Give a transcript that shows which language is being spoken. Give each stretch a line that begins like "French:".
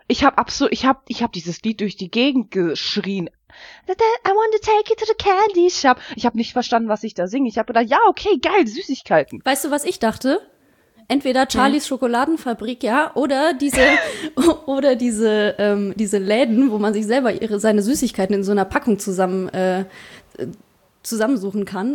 German: Ich hab dieses Lied durch die Gegend geschrien.
English: I want to take you to the candy shop.
German: Ich hab nicht verstanden, was ich da singe. Ich hab gedacht, ja, okay, geil, Süßigkeiten. Weißt du, was ich dachte? Entweder Charlies Schokoladenfabrik, ja, oder diese diese Läden, wo man sich selber seine Süßigkeiten in so einer Packung zusammensuchen kann.